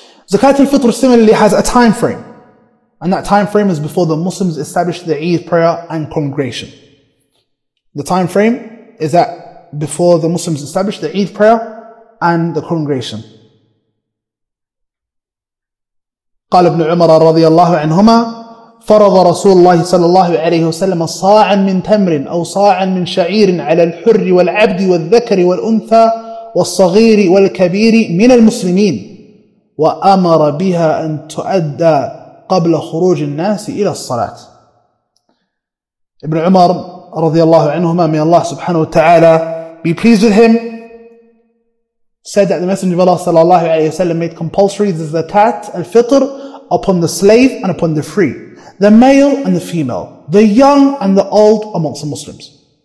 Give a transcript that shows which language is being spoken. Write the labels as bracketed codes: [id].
[en] Zakat al-fitr similarly has a time frame. And that time frame is before the Muslims establish their Eid prayer and congregation. The time frame is that before the Muslims establish their Eid prayer and the congregation. [ar] قال ابن عمر رضي الله عنهما فرض رسول الله صلى الله عليه وسلم صاعا من تمر أو صاعا من شعير على الحر والعبد والذكر والأنثى والصغير والكبير من المسلمين وأمر بها أن تؤدى قبل خروج الناس إلى الصلاة. [en] ابن عمر رضي الله عنهما, may Allah subhanahu wa ta'ala be pleased with him, said that the Messenger of Allah sallallahu alayhi wa sallam made compulsory the zakat al-fitr upon the slave and upon the free, the male and the female, the young and the old amongst the Muslims.